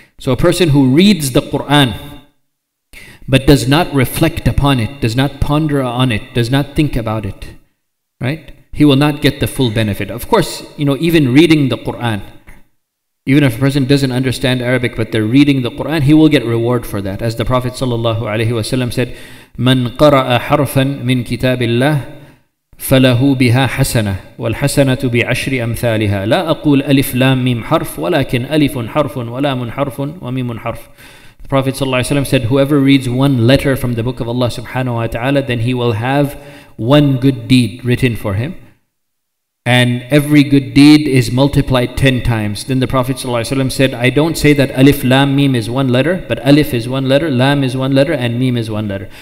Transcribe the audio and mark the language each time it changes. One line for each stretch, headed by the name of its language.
English: So a person who reads the Qur'an but does not reflect upon it, does not ponder on it, does not think about it, right? He will not get the full benefit. Of course, you know, even reading the Qur'an, even if a person doesn't understand Arabic but they're reading the Qur'an, he will get reward for that. As the Prophet ﷺ said,
Arabic: مَنْ قَرَأَ حَرْفًا مِنْ كِتَابِ اللَّهِ فَلَهُ بِهَا حَسَنَةٌ وَالْحَسَنَةُ بِعَشْرِ أَمْثَالِهَا لَا أَقُولُ أَلِفْ لَامْ مِمْ حَرْفٌ وَلَكِنْ أَلِفٌ حَرْفٌ وَلَامٌ حَرْفٌ وَمِيمٌ حَرْفٌ.
English: The Prophet ﷺ said, whoever reads one letter from the book of Allah subhanahu wa ta'ala, then he will have one good deed written for him. And every good deed is multiplied 10 times. Then the Prophet ﷺ said, I don't say that alif, lam, meem is one letter, but alif is one letter, lam is one letter, and meem is one letter.